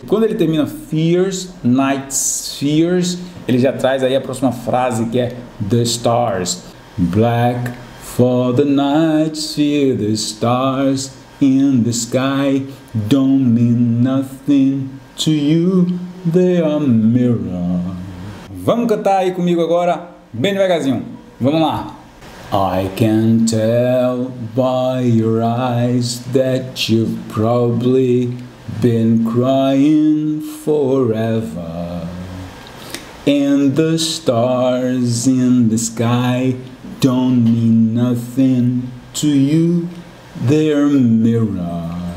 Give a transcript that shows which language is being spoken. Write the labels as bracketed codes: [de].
[pt] Quando ele termina fears, [en] night's fears, [pt] ele já traz aí a próxima frase que é [en] the stars. Black for the night's fears, the stars in the sky don't mean nothing to you, they are mirror. [pt] Vamos cantar aí comigo agora, bem devagarzinho. Vamos lá. [en] I can tell by your eyes that you've probably been crying forever. And the stars in the sky don't mean nothing to you, they're mirror.